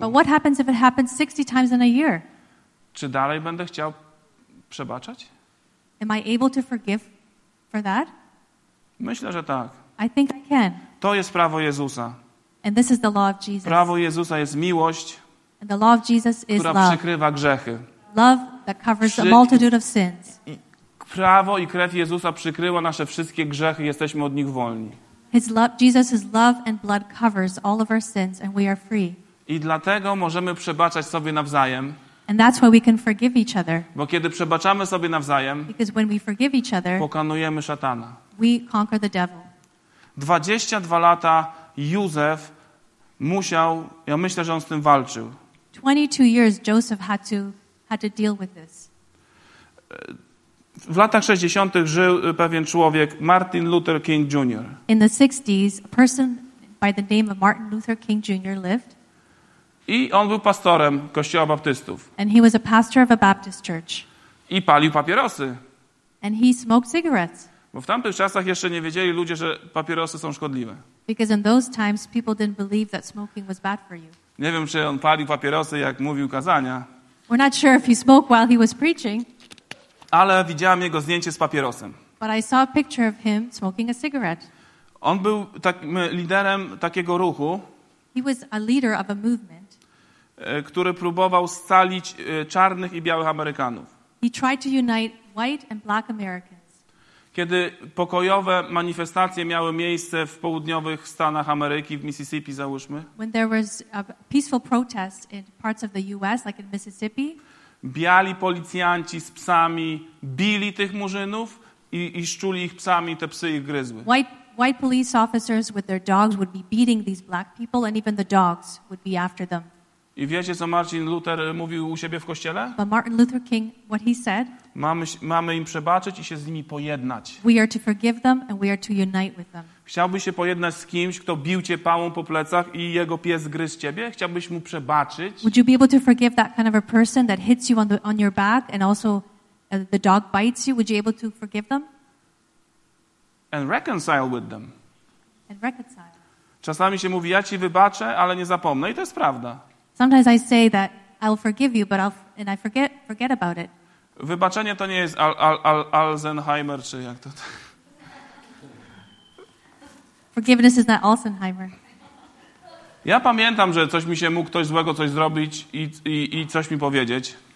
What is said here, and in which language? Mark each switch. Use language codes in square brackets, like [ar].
[en] But what happens if it happens 60 times in a year? [pl] Czy dalej będę chciał przebaczać? [en] Am I able to forgive for that? [pl] Myślę, że tak. [en] I think I can. [pl] To jest prawo Jezusa. [en] And this is the law of Jesus. [pl] Prawo Jezusa jest miłość. [en] And the law of Jesus is [pl] która [en] love. [pl] Przykrywa grzechy. [en] Love that covers a multitude of sins. [pl] Prawo i krew Jezusa przykryło nasze wszystkie grzechy, jesteśmy od nich wolni. [en] His love, Jesus's love and blood covers all of our sins and we are free. [pl] I dlatego możemy przebaczać sobie nawzajem. [en] And that's why we can forgive each other. [pl] Bo kiedy przebaczamy sobie nawzajem, [en] because when we forgive each other, [pl] pokonujemy szatana. [en] We conquer the devil. [pl] 22 lata Józef musiał, ja myślę, że on z tym walczył. [en] 22 years Joseph had to deal with this. [pl] W latach 60. żył pewien człowiek, Martin Luther King Jr. [en] In the 60s, a person by the name of Martin Luther King Jr. lived. [pl] I on był pastorem Kościoła Baptystów. [en] And he was a pastor of a Baptist church. [pl] I palił papierosy. [en] And he smoked cigarettes. [pl] Bo w tamtych czasach jeszcze nie wiedzieli ludzie, że papierosy są szkodliwe. [en] Because in those times people didn't believe that smoking was bad for you. [pl] Nie wiem, czy on palił papierosy, jak mówił kazania. [en] We're not sure if he smoked while he was preaching. [pl] Ale widziałem jego zdjęcie z papierosem. [en] But I saw a picture of him smoking a cigarette. [pl] On był takim liderem takiego ruchu. [en] He was a leader of a movement. [pl] Który próbował scalić czarnych i białych Amerykanów. [en] He tried to unite white and black Americans. [pl] Kiedy pokojowe manifestacje miały miejsce w południowych Stanach Ameryki, w Mississippi, załóżmy. [en] When there was a peaceful protest in parts of the US, like in Mississippi. [pl] Biali policjanci z psami bili tych murzynów i szczuli ich psami, te psy ich gryzły. [en] White police officers with their dogs would be beating these black people and even the dogs would be after them. [pl] I wiecie, co Martin Luther mówił u siebie w kościele? [en] But Martin Luther King, what he said? [pl] Mamy im przebaczyć i się z nimi pojednać. [en] We are to forgive them and we are to unite with them. [pl] Chciałbyś się pojednać z kimś, kto bił cię pałą po plecach i jego pies gryzł ciebie? Chciałbyś mu przebaczyć? [en] Would you be able to forgive that kind of a person that hits you on your back and also the dog bites you? Would you be able to forgive them? And reconcile with them. And reconcile. [pl] Czasami się mówi, ja ci wybaczę, ale nie zapomnę. I to jest prawda. [en] Sometimes I say that I'll forgive you, but I forget about it. [pl] Wybaczenie to nie jest Alzheimer, czy jak to. [en] Forgiveness is not Alzheimer. [pl] Ja pamiętam, że coś mi się mógł ktoś złego coś zrobić i coś mi powiedzieć.